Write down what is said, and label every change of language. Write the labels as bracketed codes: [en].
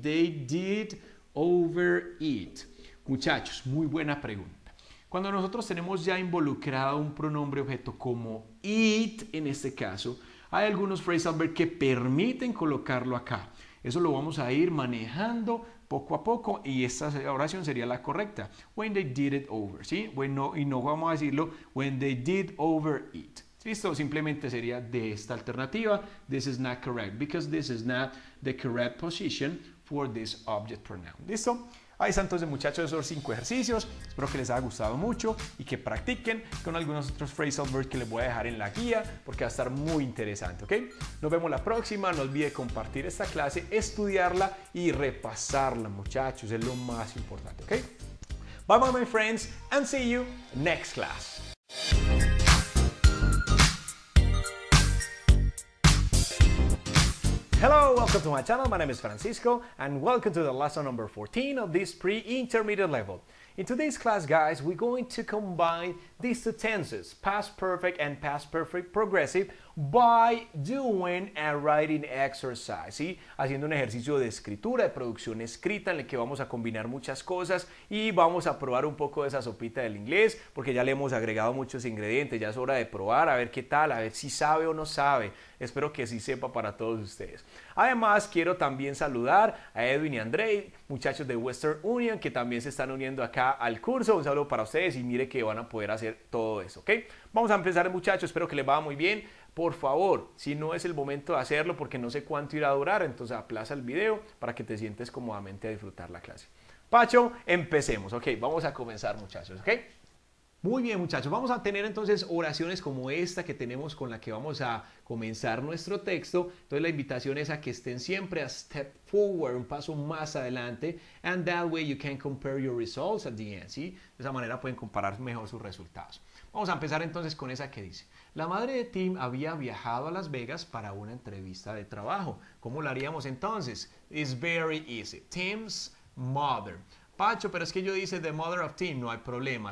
[en] They did over it. [es] Muchachos, muy buena pregunta. Cuando nosotros tenemos ya involucrado un pronombre objeto como it, en este caso, hay algunos phrasal verbs que permiten colocarlo acá. Eso lo vamos a ir manejando poco a poco y esta oración sería la correcta. [en] When they did it over, ¿sí? [es] Bueno, y no vamos a decirlo [en] when they did over it. [es] ¿Listo? Simplemente sería de esta alternativa. [en] This is not correct because this is not the correct position for this object pronoun. ¿Listo? [es] Ahí están entonces, muchachos, esos 5 ejercicios. Espero que les haya gustado mucho y que practiquen con algunos otros phrasal verbs que les voy a dejar en la guía, porque va a estar muy interesante, ¿ok? Nos vemos la próxima. No olvide compartir esta clase, estudiarla y repasarla, muchachos. Es lo más importante, ¿ok? [en] Bye bye, my friends, and see you next class. Hello, welcome to my channel. My name is Francisco, and welcome to the lesson number 14 of this pre-intermediate level. In today's class, guys, we're going to combine these two tenses, past perfect and past perfect progressive, by doing a writing exercise, ¿sí? [es] Haciendo un ejercicio de escritura, de producción escrita, en el que vamos a combinar muchas cosas y vamos a probar un poco de esa sopita del inglés, porque ya le hemos agregado muchos ingredientes, ya es hora de probar, a ver qué tal, a ver si sabe o no sabe. Espero que sí sepa para todos ustedes. Además, quiero también saludar a Edwin y André, muchachos de Western Union, que también se están uniendo acá al curso. Un saludo para ustedes y mire que van a poder hacer todo eso, ¿ok? Vamos a empezar, muchachos, espero que les vaya muy bien. Por favor, si no es el momento de hacerlo porque no sé cuánto irá a durar, entonces aplaza el video para que te sientes cómodamente a disfrutar la clase. Pacho, empecemos. Ok, vamos a comenzar, muchachos. Ok, muy bien, muchachos. Vamos a tener entonces oraciones como esta que tenemos, con la que vamos a comenzar nuestro texto. Entonces la invitación es a que estén siempre [en] a step forward, [es] un paso más adelante. [en] And that way you can compare your results at the end. [es] ¿Sí? De esa manera pueden comparar mejor sus resultados. Vamos a empezar entonces con esa que dice: la madre de Tim había viajado a Las Vegas para una entrevista de trabajo. ¿Cómo lo haríamos entonces? [en] It's very easy. Tim's mother. [es] Pacho, pero es que yo dice [en] the mother of Tim. [es] No hay problema.